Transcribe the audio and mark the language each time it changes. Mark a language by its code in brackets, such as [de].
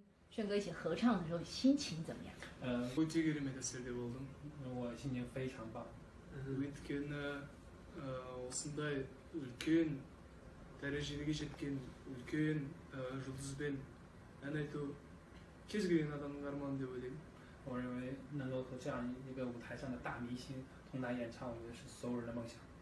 [zh] 炫哥一起合唱的时候，心情怎么样？我这个里面的实力，我心情非常棒。因为呢， [kk] осындай үлкен дәрежеге жеткен үлкен жұлдызбен ән айту кез келген адамның арманы деп ойлаймын. [zh] 我认为能够和这样一个舞台上的大明星同台演唱，我觉得是所有人的梦想。